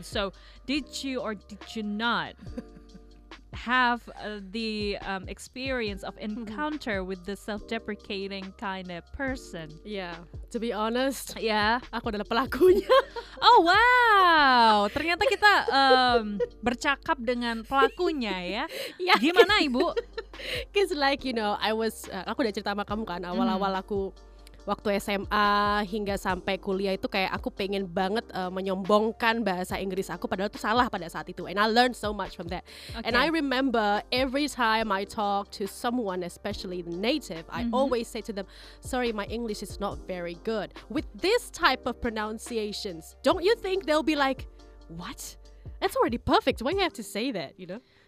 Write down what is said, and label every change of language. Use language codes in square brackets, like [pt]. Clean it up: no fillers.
[en] So, did you or did you not have the experience of encounter with the self-deprecating kind of person? Yeah, to be honest, [id] aku adalah pelakunya. Oh wow, ternyata kita bercakap dengan pelakunya ya. [en] Yeah. [id] Gimana ibu? [en] Cause like you know, I was [id] aku udah cerita sama kamu kan awal-awal aku waktu SMA hingga sampai kuliah itu kayak aku pengen banget menyombongkan bahasa Inggris aku padahal itu salah pada saat itu. [en] And I learned so much from that. Okay. And I remember every time I talk to someone, especially the native, I always say to them, sorry, my English is not very good. With this type of pronunciations, don't you think they'll be like, what? That's already perfect. Why do you have to say that, you know?